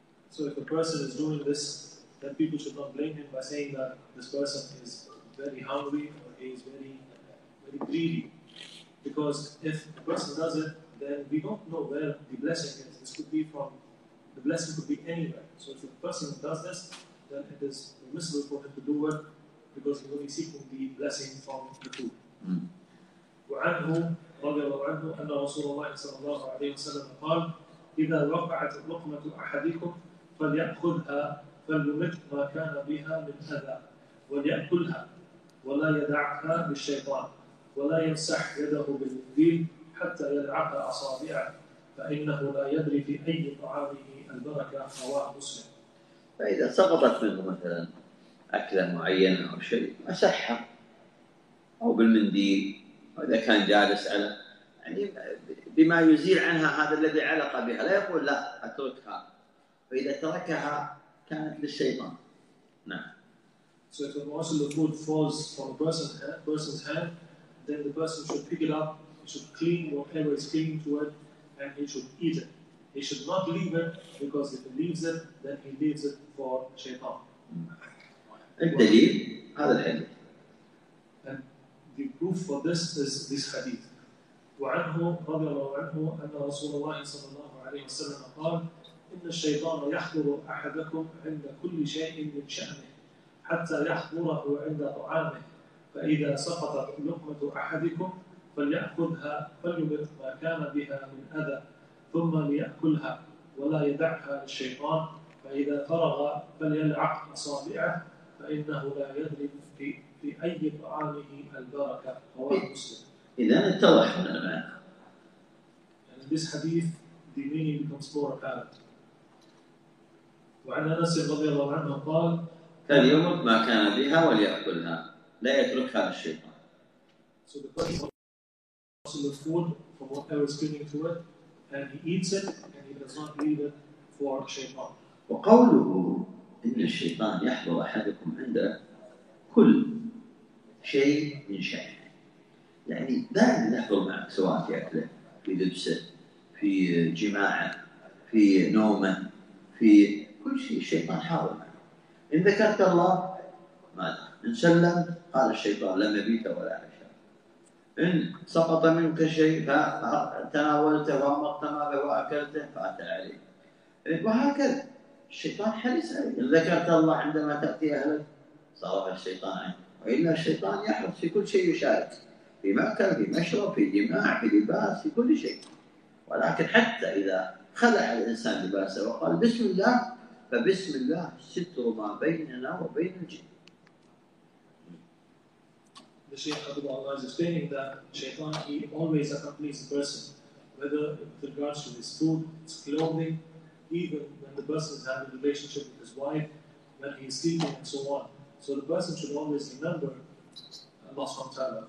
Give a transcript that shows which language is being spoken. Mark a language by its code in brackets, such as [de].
[en] So if a person is doing this, then people should not blame him by saying that this person is very hungry or he is very, very greedy. Because if a person does it, then we don't know where the blessing is. This could be from, the blessing could be anywhere. So if a person does this, then it is permissible for him to do it because he's only seeking the blessing from the food. [ar] وعنه رضي الله عنه أن رسول الله صلى الله عليه وسلم قال إذا وقعت لقمة أحدكم فليأخذها فليمت ما كان بها من أذى وليأكلها ولا يدعها للشيطان ولا يمسح يده بالمنديل حتى يلعق أصابعه فإنه لا يدري في أي طعامه البركة. رواه مسلم. فإذا سقطت منه مثلا أكلة معينة أو شيء مسحها أو بالمنديل، وإذا كان جالس على يعني بما يزيل عنها هذا الذي علق بها، لا يقول لا أتركها، فإذا تركها كانت للشيطان. نعم. [en] So if a morsel of food falls from a person's hand, then the person should pick it up, he should clean whatever is clinging to it, and he should eat it. He should not leave it, because if he leaves it, then he leaves it for shaitan. [ar] الدليل هذا الحديث. [en] The proof for this is this hadith. [ar] وعنه رضي الله عنه أن رسول الله صلى الله عليه وسلم قال إن الشيطان يحضر أحدكم عند كل شيء من شأنه حتى يحضره عند طعامه فإذا سقطت لقمة أحدكم فليأخذها فليمت ما كان بها من أذى ثم ليأكلها ولا يدعها للشيطان فإذا فرغ فليلعق أصابعه فإنه لا يدري في أي طعامه البركة. رواه مسلم. إذا اتضح لنا المعنى. [en] And in this hadith, the meaning becomes more apparent. [ar] وعن أنس رضي الله عنه قال فليمت ما كان بها وليأكلها لا يتركها للشيطان. [en] So the person of food from whatever is clinging to it and he eats it and he does not leave it for shaitan. [ar] وقوله إن الشيطان يحضر أحدكم عند كل شيء من شأنه، يعني دائما يحضر معك سواء في أكله، في لبسه، في جماعه، في نومه، في كل شيء الشيطان حاضر معك. إن ذكرت الله ماذا؟ إن سلمت قال الشيطان لم يبيت ولا عشاء. إن سقط منك شيء فتناولته وأمرت ما به وأكلته فأتى عليك. وهكذا الشيطان حريص عليك، إن ذكرت الله عندما تأتي أهلك صرف الشيطان عنك، وإلا الشيطان يحرص في كل شيء يشارك، في مأكل، في مشرب، في جماع، في لباس، في كل شيء. ولكن حتى إذا خلع الإنسان لباسه وقال بسم الله فبسم الله ستر ما بيننا وبين الجن. [en] The Shaykh Abdul Allah is explaining that Shaytan, he always accompanies a person, whether with regards to his food, his clothing, even when the person is having a relationship with his wife, when he is sleeping and so on. So the person should always remember Allah subhanahu wa ta'ala.